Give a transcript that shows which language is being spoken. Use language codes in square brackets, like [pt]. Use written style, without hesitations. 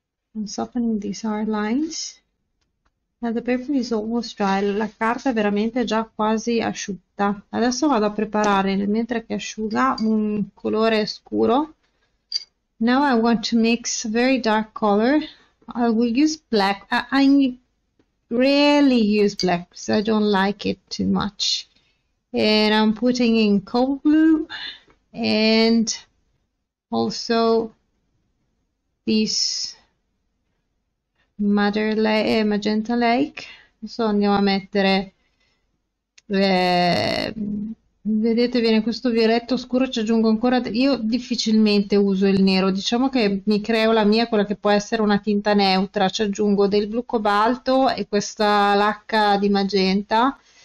[en] I'm softening these hard lines. Now the paper is almost dry. [it] La carta è veramente già quasi asciutta. Adesso vado a preparare, mentre che asciuga, un colore scuro. [en] Now I want to mix very dark color. I will use black. I rarely use black because I don't like it too much. And I'm putting in cold blue and also this magenta lake. [it] Adesso andiamo a mettere, vedete, viene questo violetto scuro, ci aggiungo ancora. Io difficilmente uso il nero, diciamo che mi creo la mia, quella che può essere una tinta neutra. Ci aggiungo del blu cobalto e questa lacca di magenta.